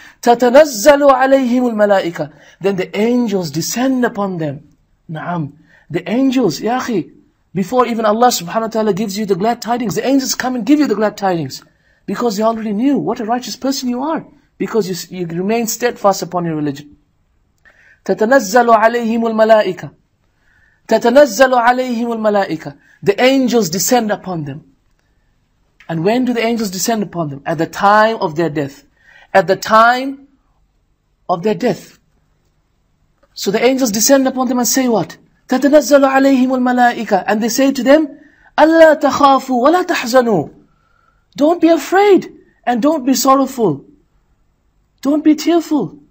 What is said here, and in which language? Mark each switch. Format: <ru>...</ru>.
<en>تَتَنَزَّلُ عَلَيْهِمُ الْمَلَائِكَةُ, then the angels descend upon them. Naam, the angels, ya akhi, before even Allah subhanahu wa ta'ala gives you the glad tidings, the angels come and give you the glad tidings, because they already knew what a righteous person you are, because you remain steadfast upon your religion.</en> <ar>تَتَنَزَّلُ عَلَيْهِمُ الْمَلَائِكَةُ, تَتَنَزَّلُ عَلَيْهِمُ الْمَلَائِكَةُ, the angels descend upon them.</ar> <en>And when do the angels descend upon them? At the time of their death. At the time of their death. So the angels descend upon them and say what? تَتَنَزَّلُ عَلَيْهِمُ الْمَلَائِكَةُ, and they say to them, أَلَّا تَخَافُوا وَلَا تَحْزَنُوا, don't be afraid and don't be sorrowful. Don't be tearful.</en>